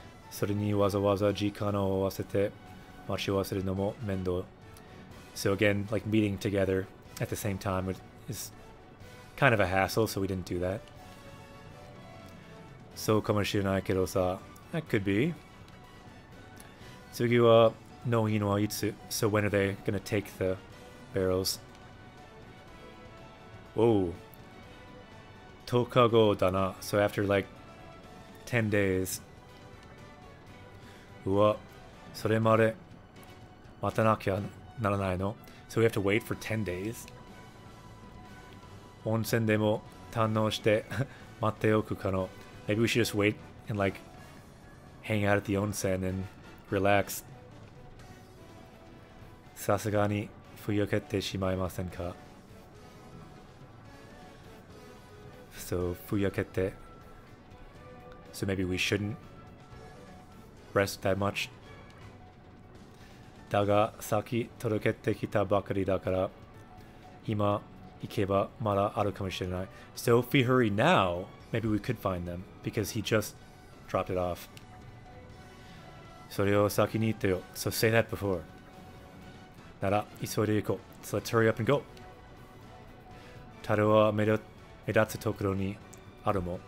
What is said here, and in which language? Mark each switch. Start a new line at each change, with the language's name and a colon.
Japanese: それにわざわざ時間を合わせて待ち合わせるのも面倒。
English: So again, like meeting together at the same time is kind of a hassle, so we didn't do that.
Japanese: そうかもしれないけどさ。
English: That could be.
Japanese: 次は納品はいつ?
English: So when are they gonna take the barrels?
Japanese: Whoa. 10日後だな。
English: So after like 10 days.
Japanese: うわ、それまで待たなきゃならないの?
English: So we have to wait for 10 days?
Japanese: 温泉でも堪能して待っておくかの?
English: Maybe we should just wait and like hang out at the 温泉 and relax.
Japanese: さすがにふやけてしまいませんか?
English: So ふやけて So maybe we shouldn't. Rest that much.
Japanese: だが、さっき届けてきたばかりだから、今、 ikeba mara aru kamoshirenai.
English: So if we hurry now, maybe we could find them, because he just dropped it off.
Japanese: Sore o saki ni itte yo. So say that before.
English: Nara isoide iko. So let's hurry up and go.
Japanese: Taro wa medatsu tokoro ni aru mo.